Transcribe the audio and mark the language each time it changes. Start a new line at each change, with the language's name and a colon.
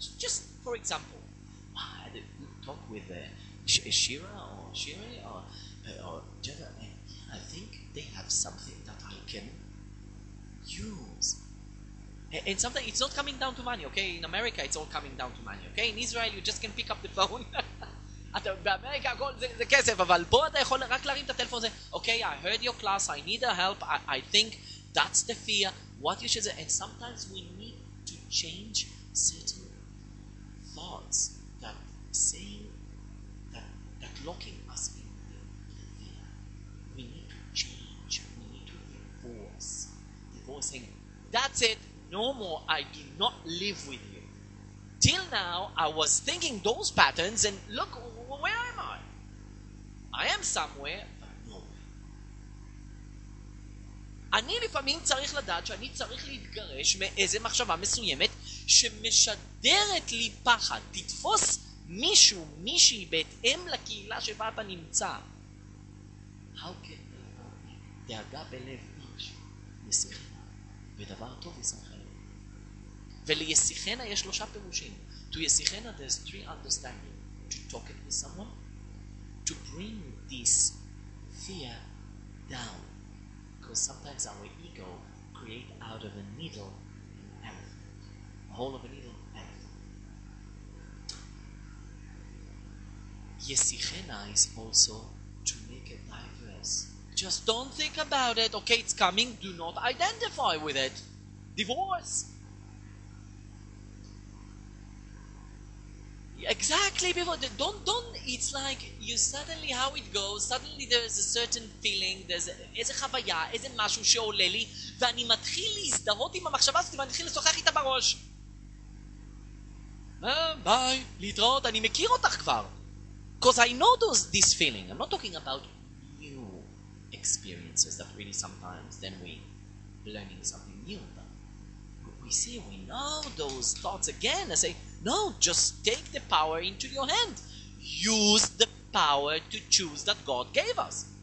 English: Just for example, I had a good talk with Shira or Jada. I think they have something that I can use. And sometimes it's not coming down to money, okay? In America, it's all coming down to money, okay? In Israel, you just can pick up the phone.
Hebrew: באמריקה הכל זה כסף, אבל פה אתה יכול רק להרים את הטלפון הזה.
English: Okay, I heard your class, I need a help, I think that's the fear. What you should say, and sometimes we need to change certain thoughts that saying that locking us in the fear. We need to change, we need to divorce. Divorce saying, that's it, no more, I do not live with you. Till now, I was thinking those patterns, and look, where am I? I am somewhere, but nowhere.
Hebrew: אני לפעמים צריך לדעת שאני צריך להתגרש מאיזה מחשבה מסוימת שמשדרת לי פחד. תתפוס מישהו, מישהי, בהתאם לקהילה שבה אתה נמצא.
English: How can they know me?
Hebrew: דאגה בלב איש, יסיכנה, ודבר טוב יסמכנה. וליסיכנה יש שלושה פירושים.
English: To יסיכנה, there's three understandings. To talk it with someone, to bring this fear down, because sometimes our ego create out of a needle an elephant, a hole of a needle an elephant. Yesichena is also to make it diverse. Just don't think about it. Okay, it's coming. Do not identify with it. Divorce. Exactly, people don't it's like you suddenly how it goes, suddenly there is a certain feeling, there's
Hebrew: איזה חוויה, איזה משהו שעולה לי, ואני מתחיל להזדהות עם המחשבה הזאת, ואני מתחיל לשוחח איתה בראש. ביי, להתראות, אני מכיר אותך כבר.
English: Because I know this feeling. I'm not talking about new experiences that really sometimes then we learning something new. We see, we know those thoughts again. I say, no, just take the power into your hand. Use the power to choose that God gave us.